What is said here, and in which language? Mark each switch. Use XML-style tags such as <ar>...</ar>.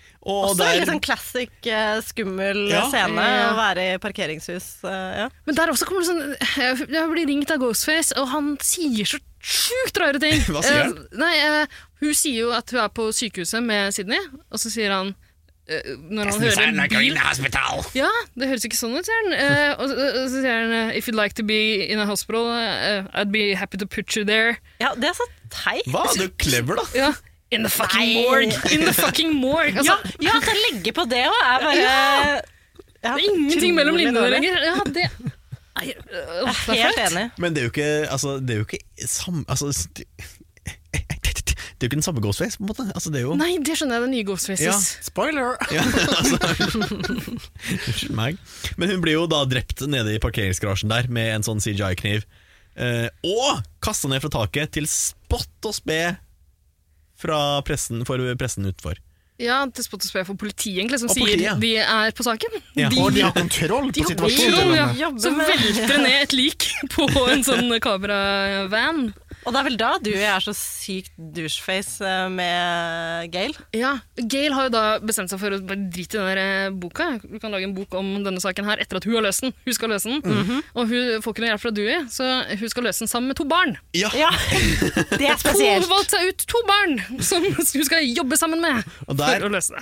<no>Og også der, en sånn klassisk skummel scene å være i parkeringshus. Ja. Men der også kommer det sånn, jeg blir ringt av Ghostface, og han sier så sjukt rare ting. Hva sier han? Nei, hun sier jo at hun er på sykehuset med Sydney, og så sier han, når han hører en bil. Ja, det høres ikke sånn ut, sier han.</no> <en>Og så sier han, if you'd like to be in a hospital, I'd be happy to put you there.</en> <no>Ja, det er så teit. Hva, du er clever da.</no> <en>Ja. In the fucking morgue. In the fucking morgue.</en> <no>Altså, ja, at jeg legger på det også er bare... Ja. Det er ingenting mellom linjene lenger. Ja, det... Jeg er helt enig. Men det er jo ikke... Altså, det er jo ikke samme... Altså, det er jo ikke den samme Ghostface på en måte, altså det er jo... Nei, det skjønner jeg, det er nye Ghostfaces. Ja, spoiler! Ja, altså. Men hun blir jo da drept nede i parkeringsgarasjen der med en sånn CGI-kniv. Og kastet ned fra taket til spott og spe fra pressen, for pressen utenfor. Ja, til spott og spe for politiet egentlig, som sier de er på saken. Ja. De, og de har kontroll på situasjonen. Ja. Så velter ned et lik på en sånn kameravan. Og det er vel da du er så sykt doucheface med Gail? Ja, Gail har jo da bestemt seg for å bare drite i denne boka. Du kan lage en bok om denne saken her etter at hun har løst den. Hun skal løse den. Mm-hmm. Og hun får ikke noe hjelp fra Dewey, så hun skal løse den sammen med to barn. Ja, ja. Det er spesielt. Hun valgte seg ut to barn som hun skal jobbe sammen med for å løse det.</no>